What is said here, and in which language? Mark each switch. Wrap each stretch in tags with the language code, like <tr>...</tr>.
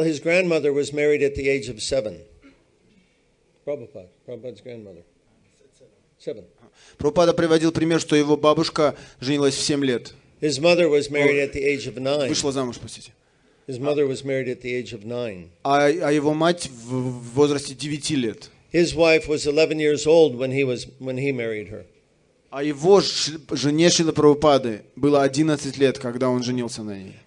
<en>His grandmother was married at the age of 7. Prabhupada's grandmother. 7.</en> <ru>Прабхупада приводил пример, что его бабушка женилась в 7 лет.</ru> <en>His mother was married at the age of 9.</en> <ru>Вышла замуж, простите.</ru> <en>His mother was married at the age of 9.</en> <ru>А его мать в возрасте 9 лет.</ru> <en>His wife was 11 years old when he married her.</en> <ru>А его жене Шрилы Прабхупады было 11 лет, когда он женился на ней.</ru>